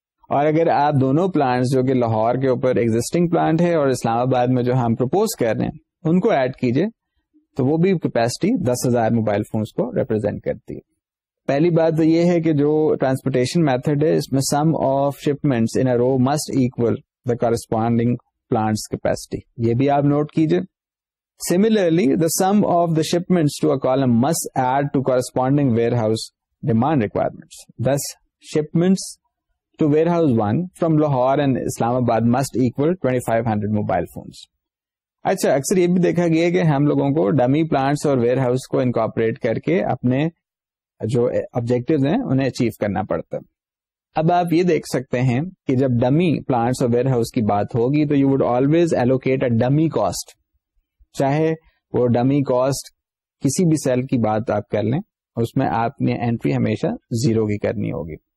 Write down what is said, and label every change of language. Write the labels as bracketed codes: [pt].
[ur] اور اگر آپ دونوں پلانٹس جو کہ لاہور کے اوپر ایگزسٹنگ پلانٹ ہے اور اسلام آباد میں جو ہم پروپوز کر رہے ہیں ان کو ایڈ کیجئے تو وہ بھی کیپیسٹی 10000 موبائل فونز کو ریپرزینٹ کرتی ہے. پہلی بات تو یہ ہے کہ جو ٹرانسپورٹیشن میتھڈ ہے اس میں [en] sum of shipments in a row must equal the corresponding plants capacity, [ur] یہ بھی آپ نوٹ کیجئے. [en] Similarly, the sum of the shipments to a column must add to corresponding warehouse demand requirements. Thus, shipments to warehouse 1 from Lahore and Islamabad must equal 2500 mobile phones. [ur] اچھا اکثر یہ بھی دیکھا گیا کہ ہم لوگوں کو ڈمی پلانٹس اور ویئر ہاؤس کو انکارپوریٹ کر کے اپنے جو آبجیکٹیوز ہیں انہیں اچیو کرنا پڑتا. اب آپ یہ دیکھ سکتے ہیں کہ جب ڈمی پلانٹس اور ویئر ہاؤس کی بات ہوگی تو [en] you would always allocate a dummy cost, [ur] چاہے وہ ڈمی کاسٹ کسی بھی سیل کی بات آپ کر لیں, اس میں آپ نے انٹری ہمیشہ زیرو کی کرنی ہوگی.